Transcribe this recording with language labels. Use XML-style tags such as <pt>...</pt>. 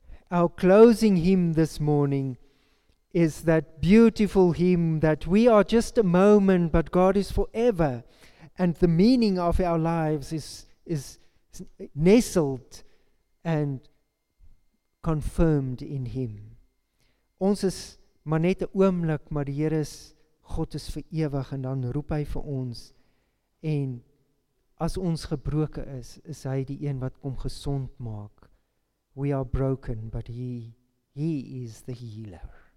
<en>Our closing hymn this morning is that beautiful hymn that we are just a moment, but God is forever. And the meaning of our lives is nestled and confirmed in Him.</en> <af>Ons is maar net 'n oomblik, maar die Here is, God is vir ewig, en dan roep hy vir ons. En as ons gebroken is, is hy die een wat kom gesond maak.</af> <en>We are broken, but he is the healer.</en>